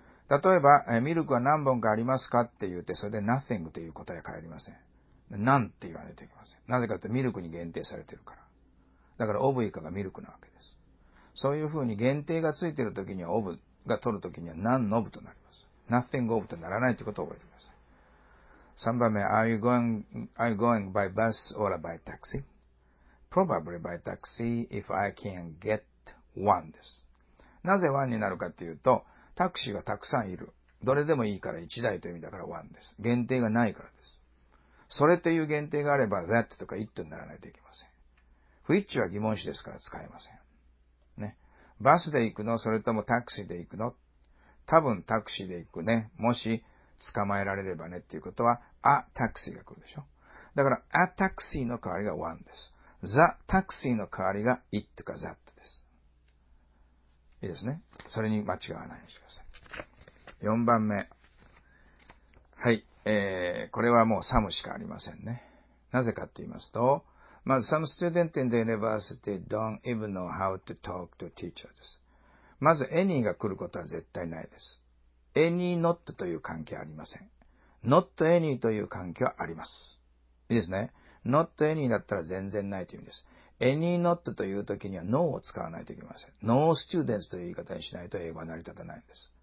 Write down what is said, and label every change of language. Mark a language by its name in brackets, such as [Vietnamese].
[Japanese] 例えば、ミルクは何本かありますかって言って、それで nothing という答えは返りません。何って言われてきません。なぜかというとミルクに限定されてるから。だから of 以下がミルクなわけです。そういうふうに限定がついてるときには of が取るときには何の of となります。 nothing of とならないということを覚えてください。 3番目、 [English] are you going by bus or by taxi? Probably by taxi if I can get one です。 [Japanese] なぜ one になるかっていうと、タクシーがたくさんいる。どれでもいいから1台という意味だから one です。限定がないからです。それという限定があれば that とか it にならないといけません。 which は疑問詞ですから使えません。ね。バスで行くの？それともタクシーで行くの？多分タクシーで行くね。もし捕まえられればねっていうことは、a taxi が来るでしょ。だから a taxi の代わりが one です。The taxi の代わりが it か that です。いいですね。それに間違わないようにしてください。 4番目。はい。これはもう some しかありませんね。なぜかって言いますと、まず [English] some student in the university don't even know how to talk to teacher です。 [Japanese] まず any が来ることは絶対ないです。 any not という関係ありません。not any という関係はあります。いいですね。 not any だったら全然ないという意味です。any not という時には no を使わないといけません。 no students という言い方にしないと英語は成り立たないんです。